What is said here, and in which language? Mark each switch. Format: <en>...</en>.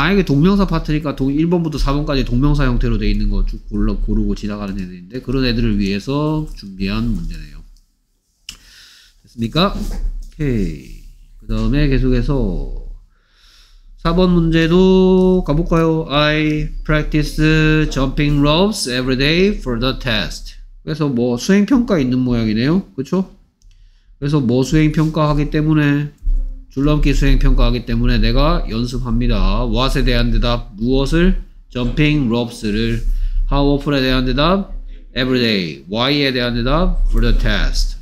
<ko>아 이게 동명사 파트니까 1번부터 4번까지 동명사 형태로 돼 있는 거 쭉 고르고 지나가는 애들인데 그런 애들을 위해서 준비한 문제네요. 됐습니까? 오케이. 그 다음에 계속해서 4번 문제도 가볼까요?</ko> <en>I practice jumping ropes every day for the test.</en> <ko>그래서 뭐 수행평가 있는 모양이네요. 그쵸? 그래서 뭐 수행평가 하기 때문에 줄넘기 수행 평가하기 때문에 내가 연습합니다. What에 대한 대답 무엇을?</ko> <en>Jumping ropes</en> <ko>를.</ko> <en>How often에</en> <ko>대한 대답?</ko> <en>Every day. Why에 대한 대답? For the test.</en>